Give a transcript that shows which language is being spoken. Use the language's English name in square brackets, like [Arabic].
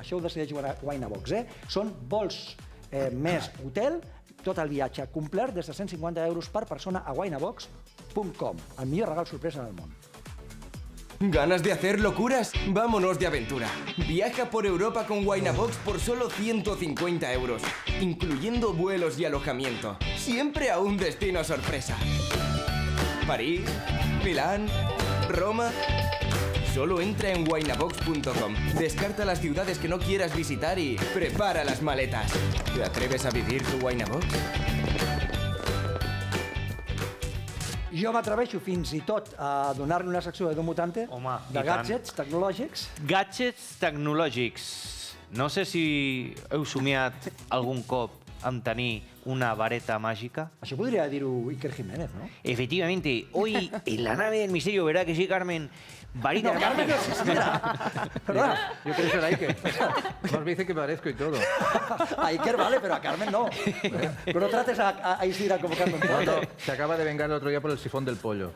[Catalan] Això ho decideix Guainabox. Són vols més hotel, tot el viatge complert des de 150 euros per persona a guainabox.com. El millor regal sorpresa del món. [Spanish] ¿Ganas de hacer locuras? Vámonos de aventura. Viaja por Europa con Guainabox por solo 150 euros, incluyendo vuelos y alojamiento. Siempre a un destino sorpresa. París, Milán, Roma... Solo entra en guainabox.com, descarta las ciudades que no quieras visitar y prepara las maletas. ¿Te atreves a vivir tu Guainabox? [Catalan] Jo m'atreveixo fins i tot a donar-li una secció d'Edu Mutante de gadgets tecnològics. Gadgets tecnològics. No sé si heu somiat algun cop en tenir una vareta màgica. Això podria dir-ho Iker Jiménez, no? Efectivament. [Spanish] Hoy en la nave del misterio, ¿verdad que sí, Carmen? Varita no, Carmen no existirá. Yo creo que era Iker. Más me dice que me parezco y todo. A Iker vale, pero a Carmen no. Pero no trates a Isidra como Carmen. Cuando se acaba de vengar el otro día por el sifón del pollo.